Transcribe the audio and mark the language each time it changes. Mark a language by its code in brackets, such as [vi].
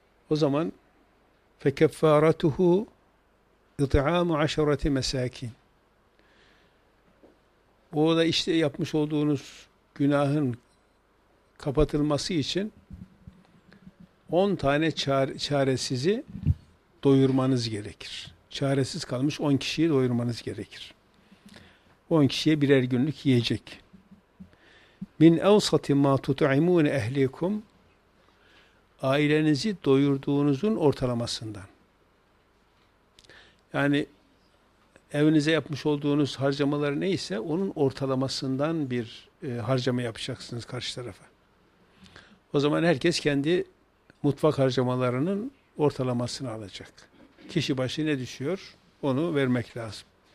[tr] O zaman [ar] فَكَفَّارَتُهُ اِطْعَامُ عَشَرَةِ مَسَاكِنٍ [tr] Bu da işte yapmış olduğunuz günahın kapatılması için 10 tane çaresizi doyurmanız gerekir. Çaresiz kalmış 10 kişiyi doyurmanız gerekir. 10 kişiye birer günlük yiyecek. [ar] مِنْ اَوْسَطِ مَا تُطْعِمُونَ اَهْلِكُمْ [tr] Ailenizi doyurduğunuzun ortalamasından. Yani evinize yapmış olduğunuz harcamalar neyse onun ortalamasından bir harcama yapacaksınız karşı tarafa. O zaman herkes kendi mutfak harcamalarının ortalamasını alacak. Kişi başı ne düşüyor onu vermek lazım.